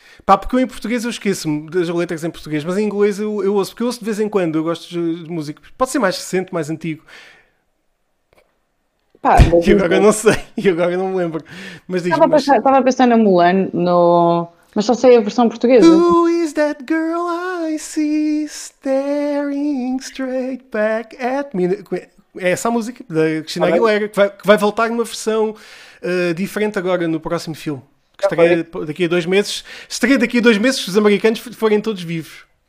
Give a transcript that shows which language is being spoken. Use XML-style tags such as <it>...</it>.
<pt>Pá, porque eu em português eu esqueço-me das letras em português, mas em inglês eu ouço, porque eu ouço de vez em quando, eu gosto de música. Pode ser mais recente, mais antigo. Pá, e agora não sei, e agora não me lembro. Mas estava a pensar na Mulan, no... Mas só sei a versão portuguesa.</pt> <en>Who is that girl I see staring straight back at me?</en> <pt>É essa a música da Christina Aguilera, que vai voltar numa versão diferente agora no próximo filme. Que estreia daqui a 2 meses. Estreia daqui a 2 meses se os americanos forem todos vivos.</pt>